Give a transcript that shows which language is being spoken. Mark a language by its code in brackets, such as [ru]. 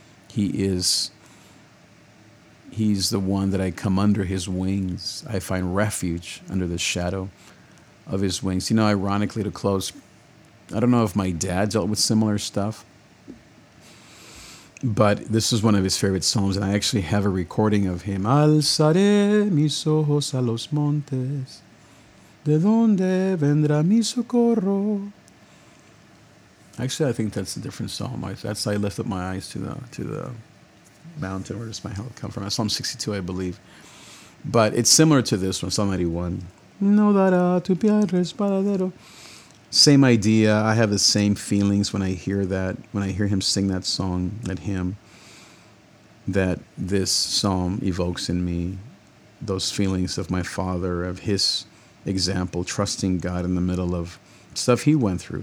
[en] He's the one that I come under his wings. I find refuge under the shadow of his wings. You know, ironically, to close, I don't know if my dad dealt with similar stuff, but this is one of his favorite psalms, and I actually have a recording of him. [es] Alzaré mis ojos a los montes. ¿De dónde vendrá mi socorro? [en] Actually, I think that's a different psalm. That's I lift up my eyes to the mountain. Where does my help come from? Psalm 62, I believe. But it's similar to this one, Psalm 91. [es] No dará tu pie resbaladero. [en] Same idea. I have the same feelings when I hear that, when I hear him sing that song, that hymn, that this psalm evokes in me, those feelings of my father, of his example, trusting God in the middle of stuff he went through.